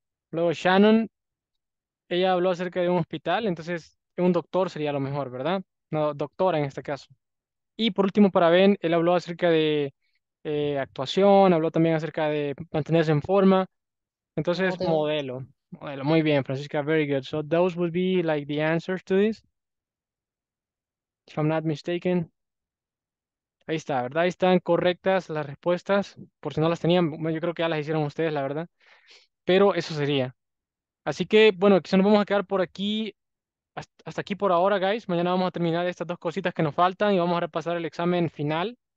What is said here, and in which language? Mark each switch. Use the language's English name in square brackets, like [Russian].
[Spanish] Luego Shannon, ella habló acerca de un hospital, entonces un doctor sería lo mejor, ¿verdad? No, doctora en este caso. Y por último para Ben, él habló acerca de actuación, habló también acerca de mantenerse en forma. Entonces, modelo. Muy bien, Francisca, [English] very good. So those would be like the answers to this, if I'm not mistaken. [Spanish] Ahí está, ¿verdad? Ahí están correctas las respuestas, por si no las tenían, yo creo que ya las hicieron ustedes, la verdad. Pero eso sería. Así que, bueno, quizá nos vamos a quedar por aquí, hasta aquí por ahora, guys. Mañana vamos a terminar estas dos cositas que nos faltan y vamos a repasar el examen final.